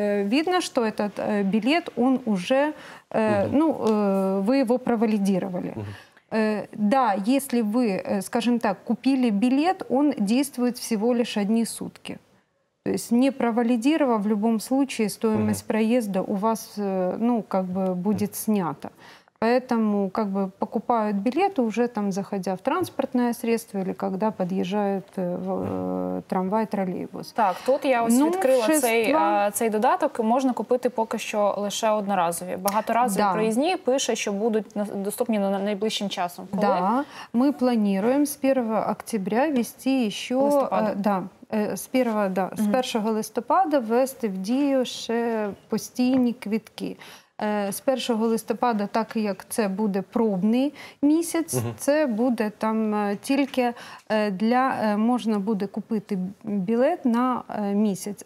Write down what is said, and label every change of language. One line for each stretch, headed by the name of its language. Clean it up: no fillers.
Ukrainian: Видно, що цей білет, він вже, ну, ви його провалідували. Да, якщо ви, скажімо так, купили білет, він діє всього лише одні сутки.
Russian: То есть не провалидировав, в любом случае стоимость проезда у вас, ну, как бы будет снята. поэтому как бы покупают билеты уже там, заходя в транспортное средство или когда подъезжают в трамвай, тролейбус.
Ukrainian: Так, тут я ось відкрила цей додаток, можна купити поки що лише одноразові. Багаторазові проїзні пише, що будуть доступні на найближчим часом. Коли? Да, ми плануємо з
Russian: 1 октября
Ukrainian: вести ще... З 1 листопада ввести в дію ще постійні квитки. З 1 листопада, так як це буде пробний місяць, це буде там тільки для, можна буде купити білет на місяць.